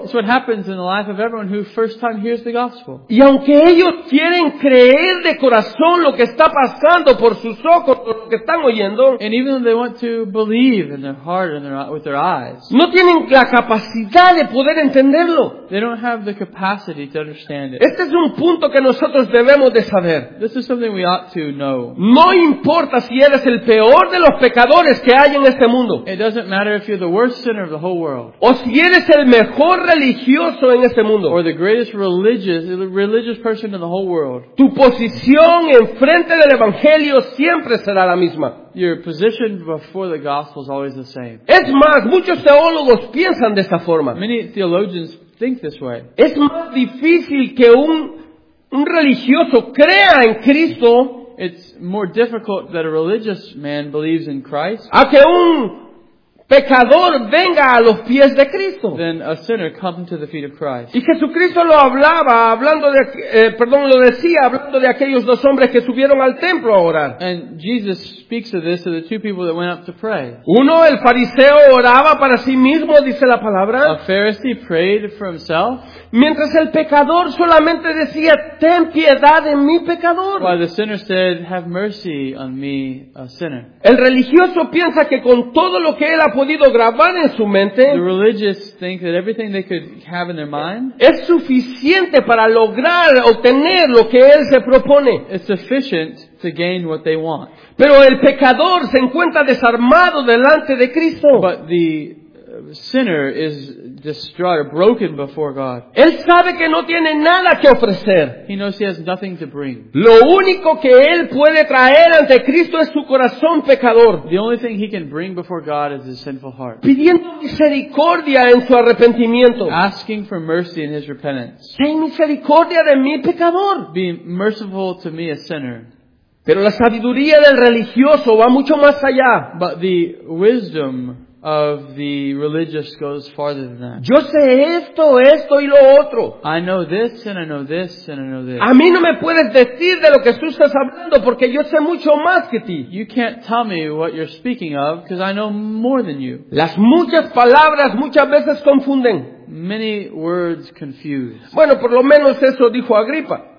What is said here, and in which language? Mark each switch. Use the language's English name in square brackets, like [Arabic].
[English] It's what happens in the life of everyone who first time hears the gospel. [Spanish] Y aunque ellos quieren creer de corazón lo que está pasando por sus ojos, lo que están oyendo, [English] and even though they want to believe in their heart, with their eyes. [Spanish] No tienen la capacidad de poder entenderlo. [English] They don't have the capacity to understand it. [Spanish] Este es un punto que nosotros debemos de saber. [English] This is something we ought to know. [Spanish] No importa si eres el peor de los pecadores que hay en este mundo. [English] It doesn't matter if you're the worst sinner of the whole world. [Spanish] O si eres el mejor religioso en este mundo. [English] Or the greatest religious person in the whole world. [Spanish] Tu posición en frente del Evangelio siempre será la misma. [English] Your position before the gospel is always the same. [Spanish] Es más, muchos teólogos piensan de esta forma. [English] Many theologians think this way. [Spanish] Es más difícil que un religioso crea en Cristo. [English] It's more difficult that a religious man believes in Christ. [Spanish] A que un pecador venga a los pies de Cristo. [English] Then a sinner come to the feet of Christ. [Spanish] Y Jesucristo lo hablaba, hablando de aquellos dos hombres que subieron al templo a orar. [English] And Jesus speaks of this to the two people that went up to pray. [Spanish] Uno, el fariseo, oraba para sí mismo, dice la palabra. [English] A Pharisee prayed for himself. [Spanish] Mientras el pecador solamente decía, ten piedad de mi pecador. [English] While the sinner said, have mercy on me, a sinner. [Spanish] El religioso piensa que con todo lo que él ha podido grabar en su mente, [English] the religious think that everything they could have in their mind, [Spanish] es suficiente para lograr obtener lo que él se propone. [English] It's sufficient to gain what they want. [Spanish] Pero el pecador se encuentra desarmado delante de Cristo. [English] But the sinner is distraught or broken before God. [Spanish] Él sabe que no tiene nada que ofrecer. [English] He knows he has nothing to bring. [Spanish] Lo único que él puede traer ante Cristo es su corazón pecador. [English] The only thing he can bring before God is his sinful heart. [Spanish] Pidiendo misericordia en su arrepentimiento. [English] Asking for mercy in his repentance. [Spanish] Ten misericordia de mi pecador. [English] Be merciful to me, a sinner. [Spanish] Pero la sabiduría del religioso va mucho más allá. [English] But the wisdom of the religious goes farther than that. [Spanish] Yo sé esto, esto y lo otro. [English] I know this and I know this and I know this. [Spanish] A mí no me puedes decir de lo que tú estás hablando porque yo sé mucho más que ti. [English] You can't tell me what you're speaking of because I know more than you. [Spanish] Las muchas palabras muchas veces confunden. [English] Many words confuse. [Spanish] Bueno, por lo menos eso dijo Agripa.